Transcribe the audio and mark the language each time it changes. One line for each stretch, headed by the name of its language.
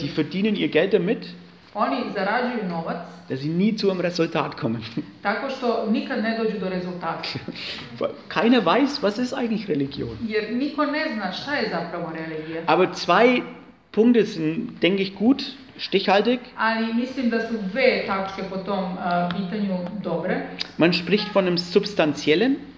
German: Die verdienen ihr Geld damit,
Serbian: oni zarađuju novac,
German: dass sie nie zu einem Resultat kommen.
Serbian: Tako što nikad ne dođu do rezultata.
German: Keiner weiß, was ist eigentlich Religion.
Serbian: Jer niko ne zna šta je zapravo religija.
German: Aber zwei Punkte sind, denke ich, gut, stichhaltig.
Serbian: Ali mislim da su dve tačke po tom pitanju dobre.
German: Man spricht von einem substanziellen.